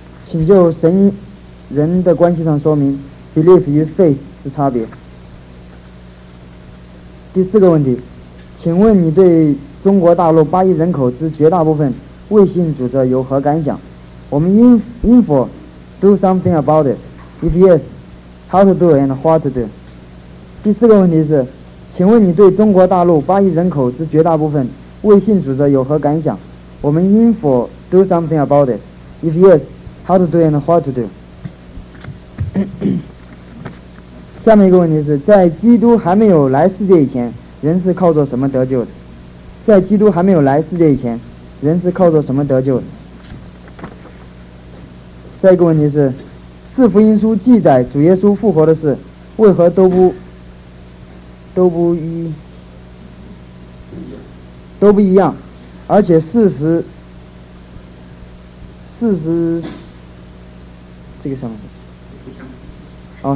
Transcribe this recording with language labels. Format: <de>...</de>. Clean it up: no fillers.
<zh>请就神与人的关系上说明 belief 与 faith 之差别。第四个问题，请问你对中国大陆八亿人口之绝大部分未信主者有何感想？我们应否</zh> <en>do something about it? If yes, how to do and what to do?</en> <zh>第四个问题是，请问你对中国大陆八亿人口之绝大部分未信主者有何感想？我们应否</zh> <en>do something about it? If yes, how to do and what to do?</en> <zh>下面一个问题是，在基督还没有来世界以前，人是靠着什么得救的？在基督还没有来世界以前，人是靠着什么得救的？再一个问题是，四福音书记载主耶稣复活的事，为何都不一样，而且事实这个什么？</zh>